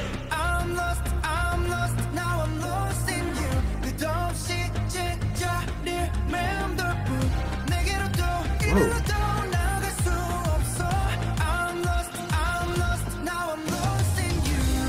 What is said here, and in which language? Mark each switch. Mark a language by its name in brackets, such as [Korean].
[English] I'm lost, now I'm lost in you. [Korean] 끝없이 제자리를 맴돌고 내게로 또 이리로 또 나갈 수 없어. [English] I'm lost, now I'm lost in you.